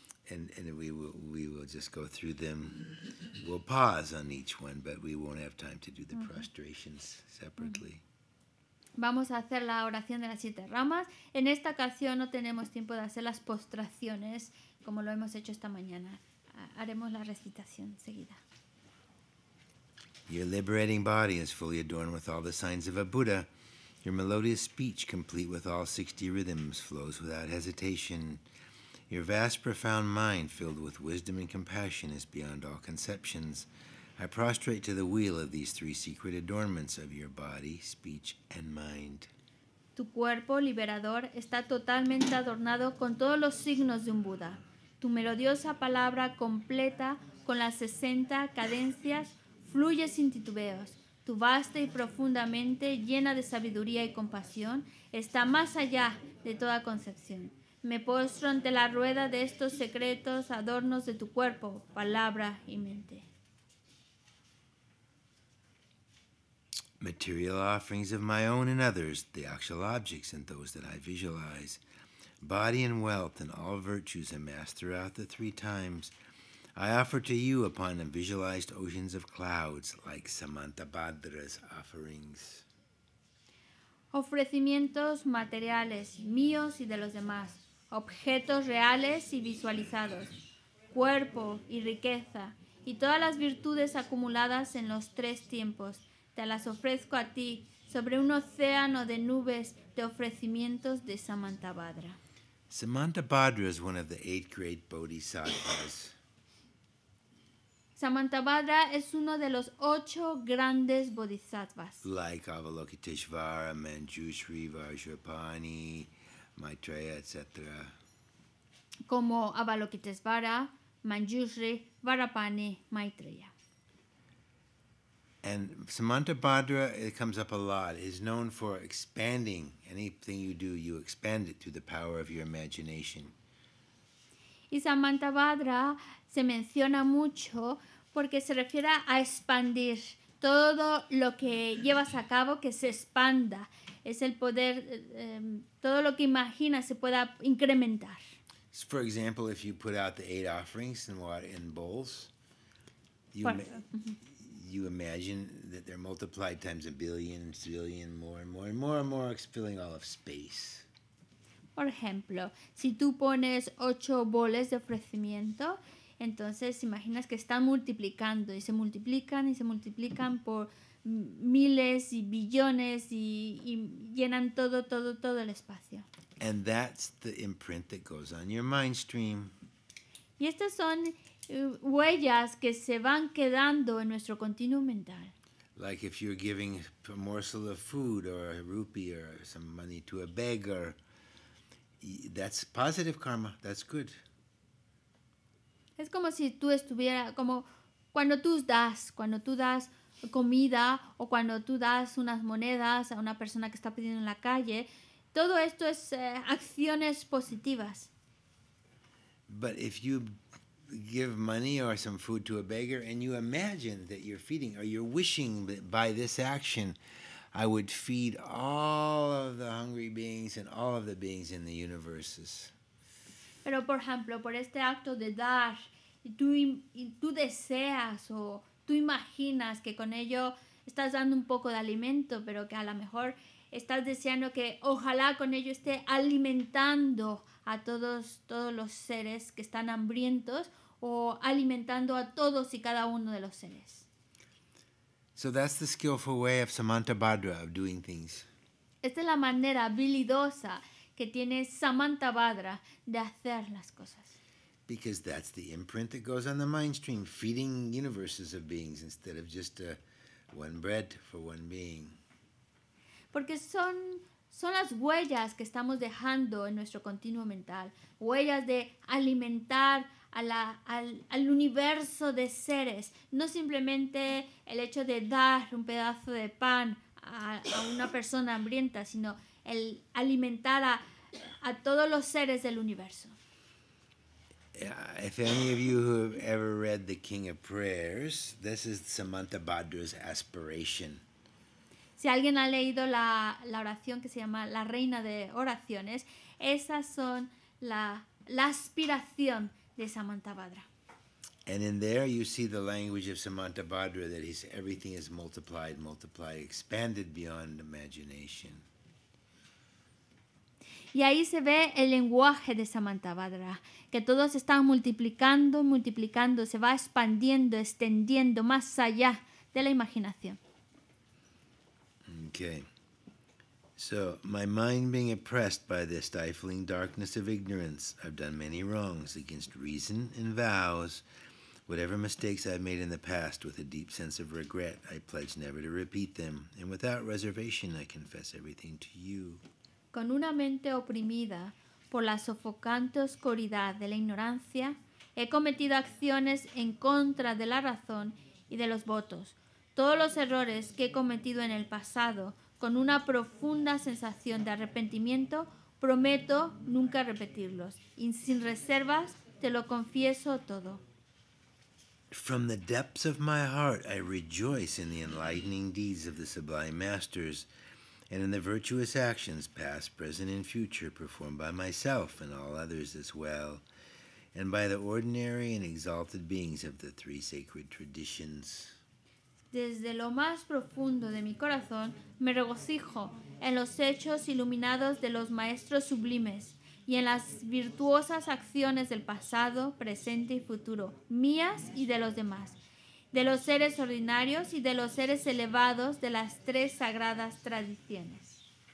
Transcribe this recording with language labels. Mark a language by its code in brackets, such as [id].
[en] And we will just go through them. We'll pause on each one, but we won't have time to do the mm-hmm. prostrations separately. Mm-hmm. [es] Vamos a hacer la oración de las siete ramas. En esta ocasión no tenemos tiempo de hacer las postraciones como lo hemos hecho esta mañana. Haremos la recitación seguida. [en] Your liberating body is fully adorned with all the signs of a Buddha. Your melodious speech, complete with all 60 rhythms, flows without hesitation. Your vast, profound mind, filled with wisdom and compassion, is beyond all conceptions. I prostrate to the wheel of these three secret adornments of your body, speech, and mind. [es] Tu cuerpo liberador está totalmente adornado con todos los signos de un Buda. Tu melodiosa palabra completa con las 60 cadencias fluye sin titubeos. Tu vasta y profundamente llena de sabiduría y compasión está más allá de toda concepción. Me postro ante la rueda de estos secretos adornos de tu cuerpo, palabra y mente. [en] Material offerings of my own and others, the actual objects and those that I visualize, body and wealth and all virtues amassed throughout the three times, I offer to you upon the visualized oceans of clouds, like Samantabhadra's offerings. [es] Ofrecimientos materiales, míos y de los demás, objetos reales y visualizados, cuerpo y riqueza, y todas las virtudes acumuladas en los tres tiempos, te las ofrezco a ti sobre un océano de nubes de ofrecimientos de Samantabhadra. [en] Samantabhadra is one of the eight great bodhisattvas. [es] Samantabhadra es uno de los ocho grandes bodhisattvas. [en] Like Avalokiteshvara, Manjushri, Vajrapani, Maitreya, etc. [es] Como Avalokiteshvara, Manjushri, Vajrapani, Maitreya. [en] And Samantabhadra, it comes up a lot, is known for expanding. Anything you do, you expand it through the power of your imagination. [es] Y Samantabhadra se menciona mucho porque se refiere a expandir todo lo que llevas a cabo que se expanda. Es el poder, todo lo que imaginas se pueda incrementar. [en] For example, if you put out the 8 offerings in water, in bowls, you imagine that they're multiplied times a billion and zillion more and more and more and more, filling all of space. [es] Por ejemplo, si tú pones 8 bowls de ofrecimiento, entonces imaginas que están multiplicando y se multiplican por miles y billones y llenan todo el espacio. [en] And that's the imprint that goes on your mind stream. [es] Y estas son huellas que se van quedando en nuestro continuo mental. [en] Like if you're giving a morsel of food or a rupee or some money to a beggar, that's positive karma. That's good. [es] Es como si tú estuvieras, como cuando tú das comida o cuando tú das unas monedas a una persona que está pidiendo en la calle. Todo esto es acciones positivas. [en] But if you give money or some food to a beggar and you imagine that you're feeding, or you're wishing that by this action I would feed all of the hungry beings and all of the beings in the universes. [es] Pero por ejemplo, por este acto de dar, tú deseas o tú imaginas que con ello estás dando un poco de alimento, pero que a lo mejor estás deseando que ojalá con ello esté alimentando a todos los seres que están hambrientos o alimentando a todos y cada uno de los seres. [en] So that's the skillful way of Samantabhadra of doing things. [es] Esta es la manera habilidosa que tiene Samantabhadra de hacer las cosas. [en] Because that's the imprint that goes on the mind stream, feeding universes of beings instead of just one bread for one being. [es] Porque son las huellas que estamos dejando en nuestro continuo mental, huellas de alimentar al universo de seres, no simplemente el hecho de dar un pedazo de pan a una persona hambrienta, sino el alimentar a todos los seres del universo. [en] If any of you who have ever read The King of Prayers, this is Samantabhadra's aspiration. [es] Si alguien ha leído la oración que se llama La Reina de Oraciones, esas son la aspiración de Samantabhadra. [en] And in there you see the language of Samantabhadra, that is, everything is multiplied, expanded beyond imagination. [es] Y ahí se ve el lenguaje de Samantabhadra, que todos están multiplicando, se va expandiendo, extendiendo más allá de la imaginación. [en] Okay. So, my mind being oppressed by the stifling darkness of ignorance, I've done many wrongs against reason and vows. Whatever mistakes I've made in the past, with a deep sense of regret, I pledge never to repeat them. And without reservation, I confess everything to you. [es] Con una mente oprimida por la sofocante oscuridad de la ignorancia, he cometido acciones en contra de la razón y de los votos. Todos los errores que he cometido en el pasado, con una profunda sensación de arrepentimiento, prometo nunca repetirlos. Y sin reservas, te lo confieso todo. [en] From the depths of my heart, I rejoice in the enlightening deeds of the sublime masters and in the virtuous actions, past, present, and future, performed by myself and all others as well, and by the ordinary and exalted beings of the three sacred traditions. [es] Desde lo más profundo de mi corazón, me regocijo en los hechos iluminados de los maestros sublimes y en las virtuosas acciones del pasado, presente y futuro, mías y de los demás, de los seres ordinarios y de los seres elevados de las tres sagradas tradiciones.